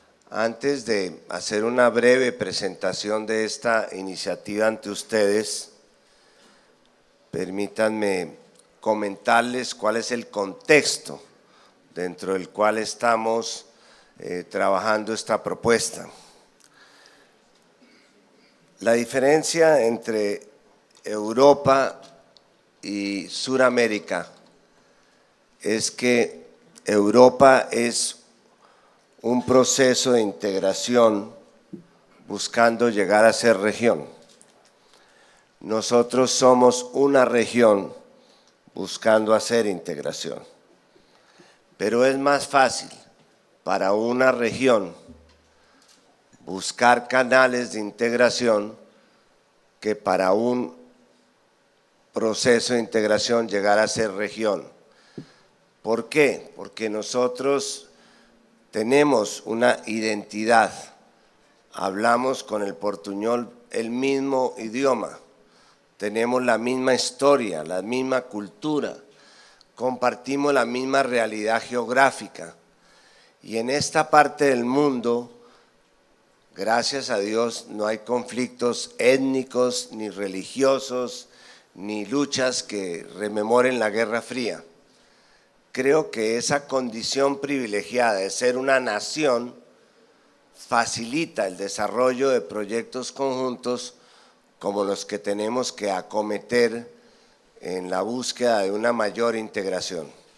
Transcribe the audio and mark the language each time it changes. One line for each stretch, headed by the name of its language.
Spanish: Antes de hacer una breve presentación de esta iniciativa ante ustedes, permítanme comentarles cuál es el contexto dentro del cual estamos trabajando esta propuesta. La diferencia entre Europa y Sudamérica es que
Portuguese: Europa é um processo de integração buscando chegar a ser região. Nós somos uma região buscando fazer integração. Mas é mais fácil para uma região buscar canales de integração que para um processo de integração chegar a ser região. Por quê? Porque nós temos uma identidade. Hablamos com o portuñol o mesmo idioma. Temos a mesma história, a mesma cultura. Compartimos a mesma realidade geográfica. E em esta parte do mundo, graças a Deus, não há conflitos étnicos, ni religiosos, ni luchas que rememoren a Guerra Fria.
Spanish: Creo que esa condición privilegiada de ser una nación facilita el desarrollo de proyectos conjuntos como los que tenemos que acometer en la búsqueda de una mayor integración.